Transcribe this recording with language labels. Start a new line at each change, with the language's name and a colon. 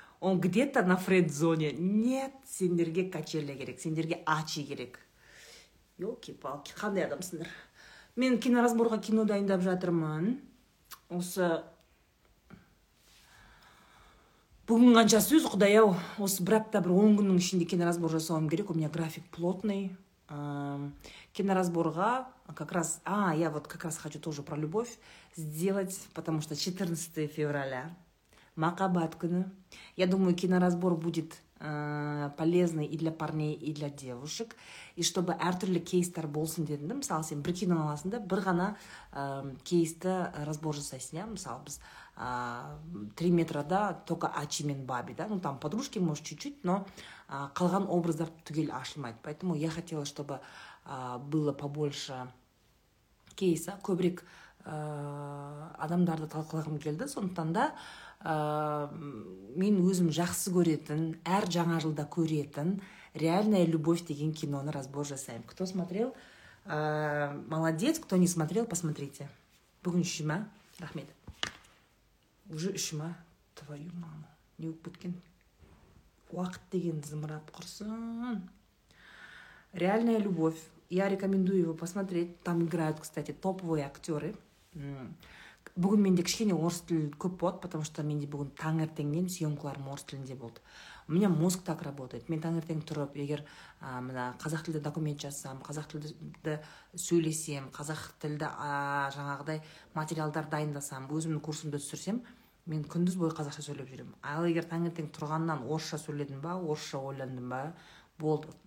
Russian: он где-то на френд-зоне. Нет,
Kazakh: сендерге качеле керек, сендерге ачи керек. Ёлки-палки, қандай адамсыңдар. Мен киноразборға кино дайындап жатырмын. Осы бүгін қанша сөз, Құдай-ау, осы бір апта бір 10 күннің ішінде киноразбор жасауым керек.
Russian: У меня график плотный. Киноразборға как раз, я вот как раз хочу тоже про любовь сделать, потому что 14 февраля
Kazakh: Махаббат күні.
Russian: Я думаю, киноразбор будет полезный и для парней, и для девушек. И чтобы
Kazakh: әртүрлі кейстер болсын дедім, мысалы, сен бір кино аласың да, бір ғана кейсті разбор жасайсың, мысалы, біз 3 метрада только Ачи мен Баби, да?
Russian: Ну, там подружки, может, чуть-чуть, но
Kazakh: қалған образдар түгел ашылмайды.
Russian: Поэтому я хотела, чтобы было побольше кейса,
Kazakh: көбірек адамдарды талқылағым келді, сондықтан да мен өзім жақсы көретін, әр жаңа жылда көретін «Реальная любовь» деген киноны разбор жасаем.
Russian: Кто смотрел, молодец, кто не смотрел, посмотрите.
Kazakh: Бүгін шыма, рахмет. Уже шыма,
Russian: твою маму,
Kazakh: не өкпіткен. Уақыт деген зымырап құрсын.
Russian: «Реальная любовь», я рекомендую его посмотреть. Там играют, кстати, топовые актеры.
Kazakh: Бүгін менде кішкене орыс тілі көп болды,
Russian: потому что
Kazakh: менде бүгін таңертеңнен съемкаларым орыс тілінде болды.
Russian: У меня мозг так работает.
Kazakh: Мен таңертең тұрып, егер қазақ тілді документ жазсам, қазақ тілді сөйлесем, қазақ тілді жаңағыдай материалдар дайындасам, өзімнің курсымды түсірсем, мен күндіз бойы қазақша сөйлеп жүрем. Ал егер таңертең тұрғаннан орысша сөйледім ба, орысша ойландым ба, болды.